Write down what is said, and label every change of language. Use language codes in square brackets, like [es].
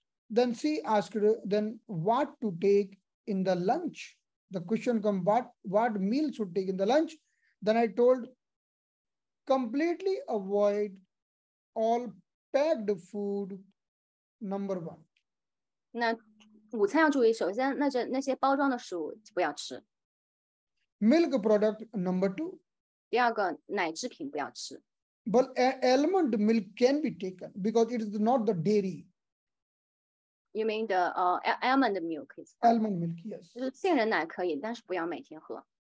[en] Then she asked, then what to take in the lunch? The question come, what meal should take in the lunch? Then I told,Completely avoid all packed food, number one. [zh] 那午餐要注意，首先那些包装的食物不要吃。 [en] Milk product, number two. [zh] 第二个，奶制品不要吃。 [en] But almond milk can be taken because it is not the dairy. You mean the almond milk? Almond milk, yes. [zh] 就是杏仁奶可以，但是不要每天喝。